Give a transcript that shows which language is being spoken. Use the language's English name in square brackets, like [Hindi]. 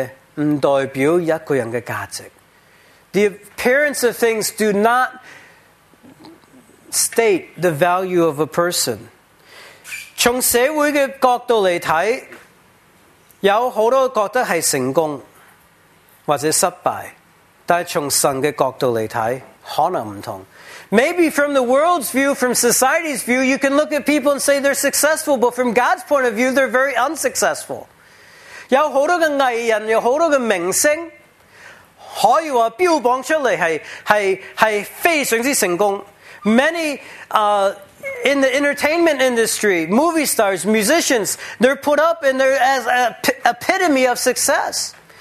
[Chinese] 眼前的不代表一个人的价值. [English] The appearance of things do not state the value of a person. [Chinese] 从社会的角度来看, 有很多觉得是成功, 或者失败, 但从神的角度来看, 可能不同. [English] Maybe from the world's view, from society's view, you can look at people and say they're successful, but from God's point of view, they're very unsuccessful. [Chinese] 有很多的艺人, 有很多的明星, 可以说标榜出来是非常之成功. [English] Many in the entertainment industry, movie stars, musicians, they're put up and they're as an epitome of success.